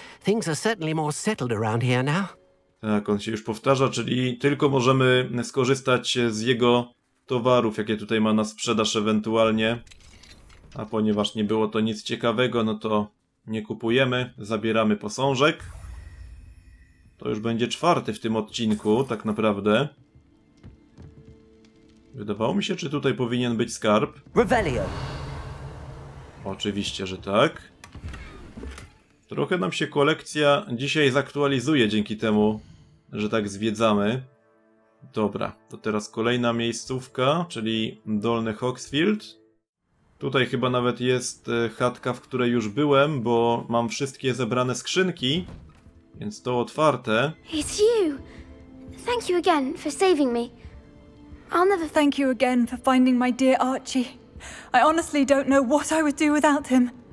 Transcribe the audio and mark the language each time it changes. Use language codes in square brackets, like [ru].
[en] Things are certainly more settled around here now. [pl] Tak, on się już powtarza, czyli tylko możemy skorzystać z jego towarów, jakie tutaj ma na sprzedaż ewentualnie. A ponieważ nie było to nic ciekawego, no to nie kupujemy, zabieramy posążek. To już będzie czwarty w tym odcinku, tak naprawdę. Wydawało mi się, czy tutaj powinien być skarb. Revelio. Oczywiście, że tak. Trochę nam się kolekcja dzisiaj zaktualizuje dzięki temu, że tak zwiedzamy. Dobra, to teraz kolejna miejscówka, czyli Dolny Hogsfield. Tutaj chyba nawet jest chatka, w której już byłem, bo mam wszystkie zebrane skrzynki, więc to otwarte. [en] It's you. Thank you again for saving me. I'll never thank you again for finding my dear Archie. I honestly don't know what I would do without him.